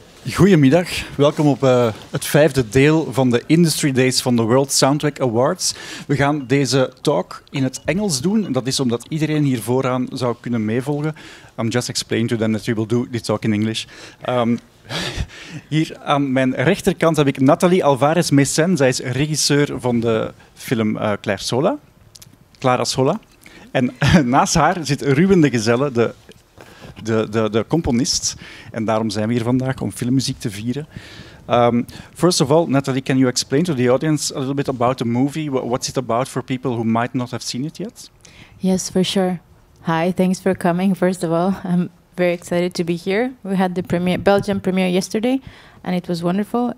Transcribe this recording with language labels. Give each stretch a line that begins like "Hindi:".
Dutch: Goedemiddag, welkom op het vijfde deel van de Industry Days van de World Soundtrack Awards. We gaan deze talk in het Engels doen. Dat is omdat iedereen hier vooraan zou kunnen meevolgen.
English: I'm just explaining to them that we will do this talk in English.
Dutch: Hier aan mijn rechterkant heb ik Nathalie Alvarez Mesen. Zij is regisseur van de film Clara Sola. En naast haar zit Ruben De Gheselle, de componist. En daarom zijn we hier vandaag om filmmuziek te vieren.
English: First of all, Nathalie, can you explain to the audience a little bit about the movie? What's it about for people who might not have seen it yet? Yes, for sure. Hi, thanks for coming, first of all. I'm very excited to be here. We had the premiere, Belgian premiere yesterday, and it was wonderful.